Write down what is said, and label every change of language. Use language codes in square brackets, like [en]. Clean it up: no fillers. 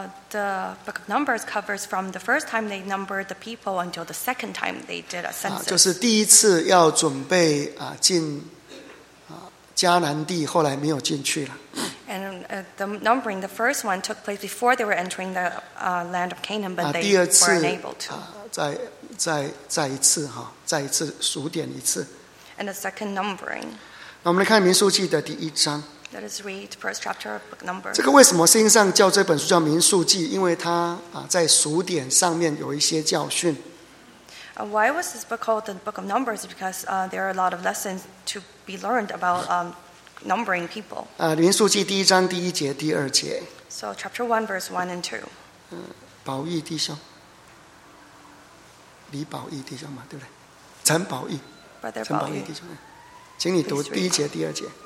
[en] the book of Numbers covers from the first time they numbered the people until the second time they did a census. [zh] 就是第一次要准备进迦南地，后来没有进去了。 [en] And the numbering, the first one took place before they were entering the land of Canaan, but they weren't able to. [zh] 再一次数点一次。 [en] And the second numbering. [zh] 我们来看民数记的第一章。 [en] Let us read the first chapter of book number. [zh] 这个为什么圣经上叫这本书叫民数记？因为它在数点上面有一些教训。 [en] Why was this book called the book of numbers? Because there are a lot of lessons to be learned about numbering people. [zh] 民数记第一章第一节第二节。 [en] So chapter one, verse one and two. [zh] 宝义弟兄，李宝义弟兄嘛，对不对？陈宝义，陈宝义弟兄，请你读第一节第二节。